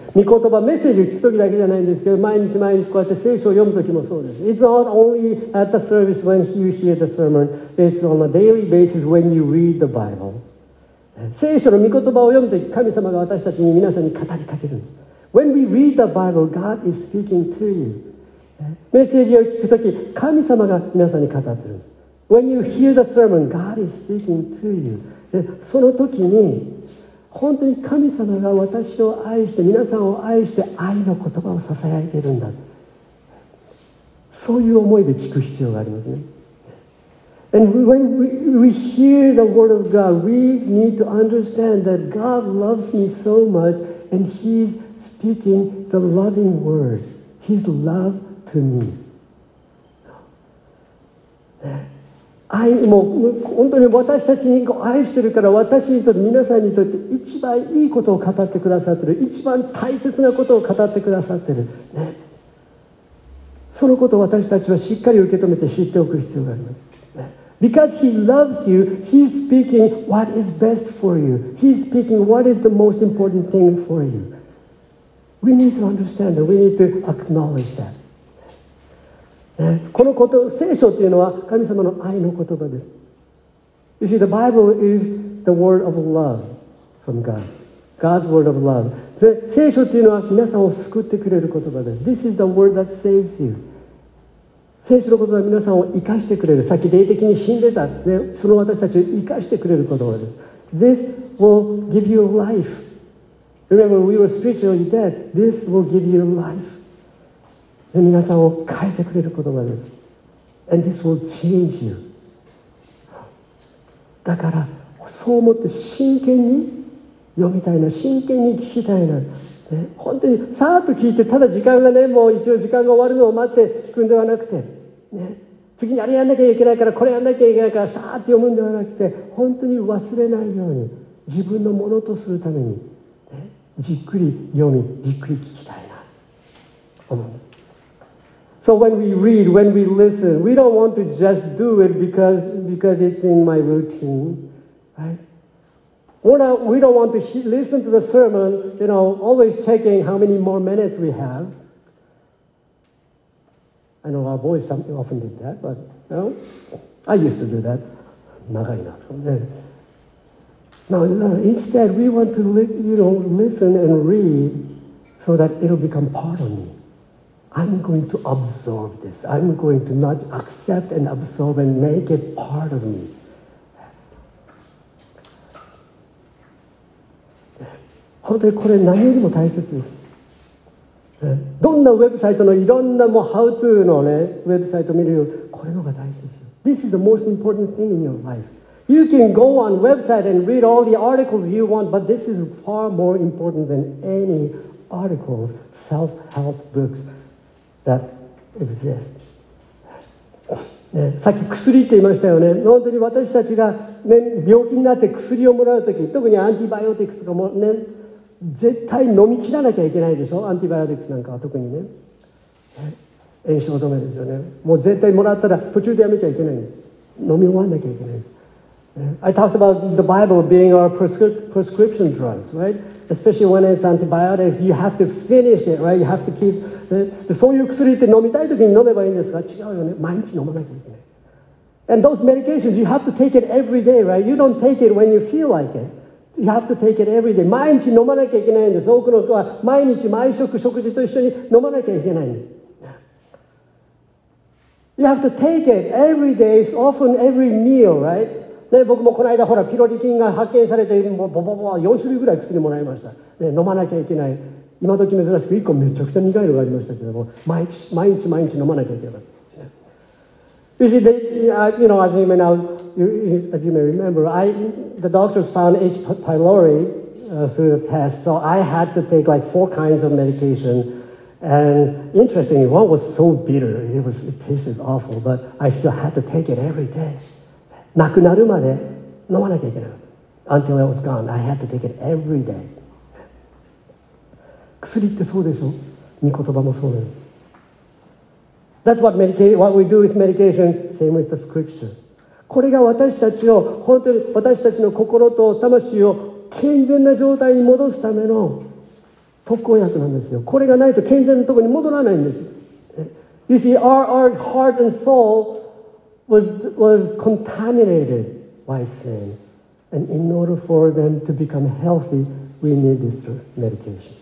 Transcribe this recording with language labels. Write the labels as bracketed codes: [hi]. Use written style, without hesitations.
[ja] 御言葉メッセージを聞く時だけじゃないんですけど、毎日毎日こうやって聖書を読む時もそうです。 [en] It's not only at the service when you hear the sermon, it's on a daily basis when you read the Bible.、 [ja] ね、聖書の御言葉を読む時、神様が私たちに皆さんに語りかけるんです。 [en] When we read the Bible, God is speaking to you. [ja] メッセージを聞くとき、神様が皆さんに語っている。 [en] When you hear the sermon, God is speaking to you. [ja] で、そのときに、本当に神様が私を愛して、皆さんを愛して、愛の言葉をささやいているんだ。そういう思いで聞く必要がありますね。 [en] And when we hear the word of God, we need to understand that God loves me so much and He'sSpeaking the loving word, His love to me. [ja] もう本当に私たちに愛してるから私にとって皆さんにとって一番いいことを語ってくださってる、一番大切なことを語ってくださってる、ね、そのことを私たちはしっかり受け止めて知っておく必要があります。 [en] Because he loves you, he's speaking what is best for you. He's speaking what is the most important thing for you. We need to understand that. We need to acknowledge that.、 [ja] ね、このこと、聖書というのは神様の愛の言葉です。 [en] You see, the Bible is the word of love from God. God's word of love. [ja] で、聖書というのは皆さんを救ってくれる言葉です。 [en] This is the word that saves you. [ja] 聖書の言葉は皆さんを生かしてくれる。さっき霊的に死んでた、ね、その私たちを生かしてくれる言葉です。 [en] This will give you life. Remember, we were spiritually dead. This will give you life. [ja] で、皆さんを変えてくれる言葉です。 [en] And this will change you. [ja] だから、そう思って真剣に読みたいな、真剣に聞きたいな。ね、本当にさーっと聞いて、ただ時間がね、もう一応時間が終わるのを待って聞くんではなくて、ね、次にあれやんなきゃいけないから、これやんなきゃいけないから、さーっと読むんではなくて、本当に忘れないように、自分のものとするために、じっくり読み、じっくり聞きたいな。 [en] So when we read, when we listen, we don't want to just do it because it's in my routine, right? We don't want to listen to the sermon, you know, always checking how many more minutes we have. I know our boys often did that, but you know, I used to do that. [ja] 長いな。 [en] No, instead, we want to listen and read so that it'll become part of me. I'm going to absorb this. I'm going to not accept and absorb and make it part of me. Honestly, this is what's most important. [ja] どんなウェブサイトのいろんなもうハウトゥーのねウェブサイトを見るよこれのが大事ですよ。 [en] This is the most important thing in your life. You can go on website and read all the articles you want, but this is far more important than any articles, self-help books that exist. [ja] ね、さっき薬って言いましたよね。本当に私たちが、ね、病気になって薬をもらうとき、特にアンティバイオティクスとかもね。絶対飲み切らなきゃいけないでしょ。アンティバイオティクスなんかは特にね、炎症止めですよね。もう絶対もらったら途中でやめちゃいけないんです。飲み終わんなきゃいけない。 [en] I talked about the Bible being our prescription drugs, right? Especially when it's antibiotics, you have to finish it, right? You have to keep、 [ja] ね、そういう薬って飲みたい時に飲めばいいんですが、違うよね。毎日飲まなきゃいけない。 [en] And those medications, you have to take it every day, right? You don't take it when you feel like itYou have to take it every day. [ja] 毎日飲まなきゃいけないんです。多くの人は毎日毎食食事と一緒に飲まなきゃいけないんです。 [en] You have to take it every day, often every meal, right? [ja] ね、僕もこの間ほらピロリ菌が発見されて、ボボボボ4種類ぐらい薬もらいました。ね、飲まなきゃいけない。今時珍しく1個めちゃくちゃ苦いのがありましたけども、毎日飲まなきゃいけない。 [en] You see, as you may remember, the doctors found H. pylori through the test, so I had to take like four kinds of medication. And interestingly, one was so bitter, it tasted awful, but I still had to take it every day. [ja] なくなるまで飲まなきゃいけない。 [en] Until it was gone, I had to take it every day. [ja] 薬ってそうでしょ?御言葉もそうです。 [en] That's what we do with medication, same with the scripture. [ja] これが私たちを本当に私たちの心と魂を健全な状態に戻すための特効薬なんですよ。これがないと健全なところに戻らないんです。 [en] You see, our heart and soul was contaminated by sin. And in order for them to become healthy, we need this medication.